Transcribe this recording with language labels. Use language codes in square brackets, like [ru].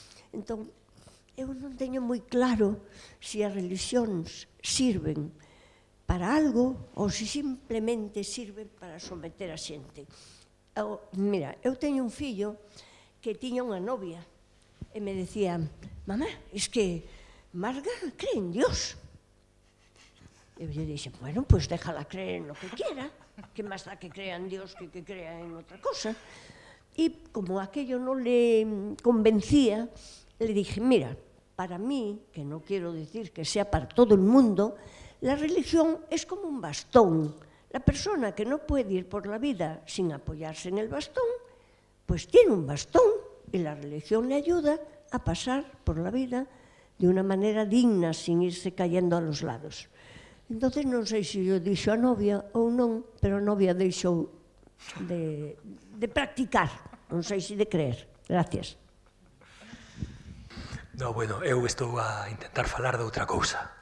[gl] Entón, eu non teño moi claro se as religións sirven para algo ou se simplemente sirven para someter a xente. Mira, eu teño un fillo que tiña unha novia e me decía, mamá, [es] es que Marga cree en Dios. [gl] E eu dixe, [es] bueno, pues déjala creer en lo que quiera, que más da que crea en Dios que crea en otra cosa. E como aquello non le convencía, le dije, mira, para mí, que no quiero decir que sea para todo el mundo, la religión es como un bastón. La persona que no puede ir por la vida sin apoyarse en el bastón, pues tiene un bastón y la religión le ayuda a pasar por la vida de una manera digna, sin irse cayendo a los lados. Entonces, no sé si yo dije a novia o no, pero a novia dejó de practicar, no sé si de creer. Gracias. [gl] No, bueno, eu estou a intentar falar de outra cousa.